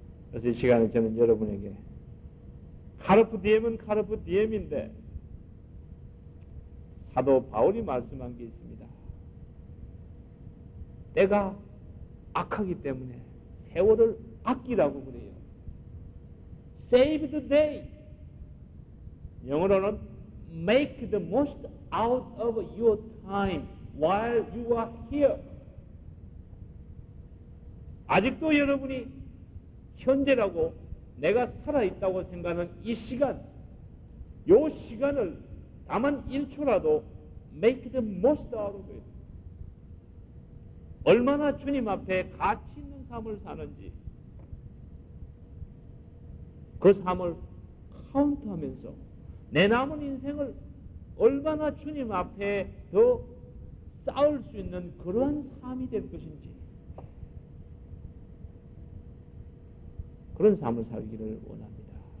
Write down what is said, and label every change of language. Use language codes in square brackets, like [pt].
[ko] 그래서 이 시간에 저는 여러분에게 카르프 디엠은 카르프 디엠인데 사도 바울이 말씀한 게 있습니다. 때가 악하기 때문에 세월을 아끼라고 그래요. [en] Save the day. [ko] 영어로는 [en] Make the most out of your time while you are here. [ko] 아직도 여러분이 현재라고 내가 살아있다고 생각하는 이 시간, 요 시간을 다만 1초라도 [en] make the most out of it. [ko] 얼마나 주님 앞에 가치 있는 삶을 사는지 그 삶을 카운트하면서 내 남은 인생을 얼마나 주님 앞에 더 쌓을 수 있는 그런 삶이 될 것인지 그런 삶을 살기를 원합니다.